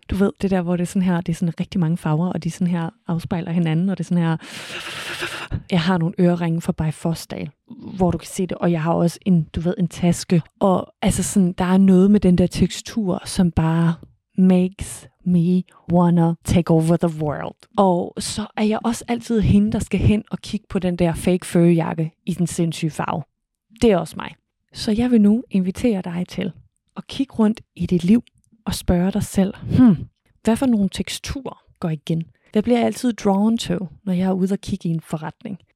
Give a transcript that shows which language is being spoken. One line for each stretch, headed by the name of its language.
Danish: Du ved, det der, hvor det er sådan her, det er sådan rigtig mange farver, og de sådan her afspejler hinanden, og det er sådan her, jeg har nogle øreringe fra Bifostal, hvor du kan se det, og jeg har også en, du ved, en taske, og altså sådan, der er noget med den der tekstur, som bare makes
English: me wanna take over the world.
Danish: Og så er jeg også altid hende, der skal hen og kigge på den der fake førjakke i den sindssyge farve. Det er også mig. Så jeg vil nu invitere dig til at kigge rundt i dit liv og spørge dig selv, hvad for nogle teksturer går igen? Hvad bliver jeg altid drawn to, når jeg er ude og kigge i en forretning?